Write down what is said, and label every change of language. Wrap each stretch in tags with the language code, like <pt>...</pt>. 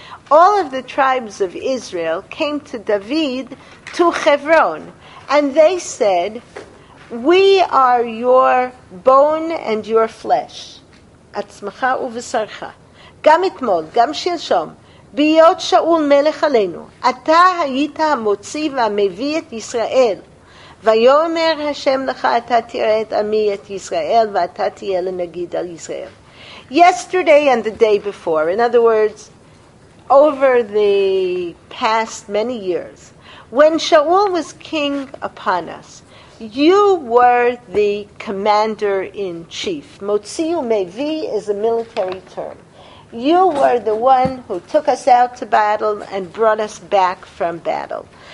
<en>All of the tribes of Israel came to David to Chevron, and they said, "We are your bone and your flesh."</en> <he>Atzmacha uvesarcha. Gam itmol, gam shilshom. ביות שאול מלך עלינו, אתה היית המוציא והמביא את ישראל. ויאמר השם לך, אתה תראה את עמי את ישראל, ואתה תהיה לנגיד על ישראל.</he> <en>Yesterday and the day before, in other words, over the past many years, when Shaul was king upon us, you were the commander-in-chief. Motzi umevi is a military term. You were the one who took us out to battle and brought us back from battle.</en>